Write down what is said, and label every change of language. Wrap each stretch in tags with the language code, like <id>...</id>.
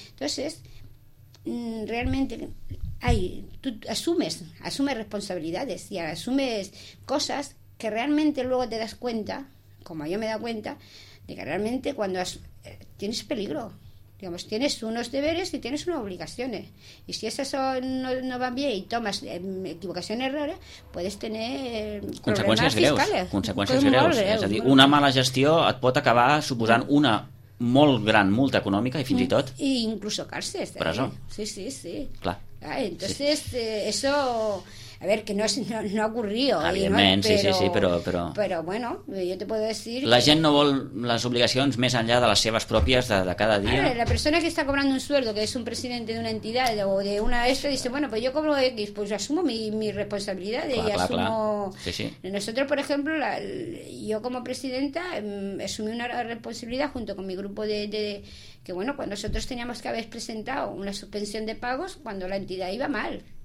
<es>Entonces, realmente, ahí, tú asumes responsabilidades y asumes cosas que realmente luego te das cuenta, como yo me he dado cuenta, de que realmente cuando tienes peligro. Digamos, tienes unos deberes y tienes unas obligaciones. Y si esas no van bien y tomas equivocaciones errores, puedes tener consecuencias</es> <ca>greus,</ca> <es>fiscales. Consecuencias</es> <ca>greus. Greus. És a dir, una mala gestió et pot acabar suposant una molt gran multa econòmica i fins i tot...</ca> <es>I incluso cárceles.</es> <ca>Presó. Sí, sí, sí. Clar.</ca> <es>Ah, entonces, sí. Eso... A ver, que no ha ocurrido.</es> <ca>Evidentment, no? sí, però... Però,</ca> <es>bueno, yo te puedo decir...</es> <ca>La gent no vol les obligacions més enllà de les seves pròpies de cada dia.</ca> <es>Ver, la persona que está cobrando un sueldo, que es un presidente de una entidad o de una extra, dice, bueno, pues yo cobro X, pues asumo mi responsabilidad y asumo...</es> <ca>Clar. Sí, sí.</ca> <es>Nosotros, por ejemplo, yo como presidenta asumí una responsabilidad junto con mi grupo que, bueno, cuando nosotros teníamos que haber presentado una suspensión de pagos cuando la entidad iba mal.</es>